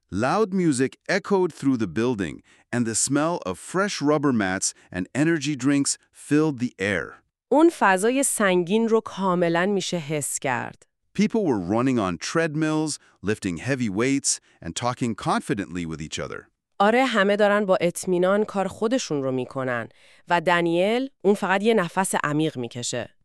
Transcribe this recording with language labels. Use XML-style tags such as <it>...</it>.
<en>Loud music echoed through the building and the smell of fresh rubber mats and energy drinks filled the air.</en> <fa>اون فضای سنگین رو کاملا میشه حس کرد.</fa> <en>People were running on treadmills, lifting heavy weights and talking confidently with each other.</en> <fa>آره، همه دارن با اطمینان کار خودشون رو میکنن و دانیل اون فقط یه نفس عمیق میکشه.</fa>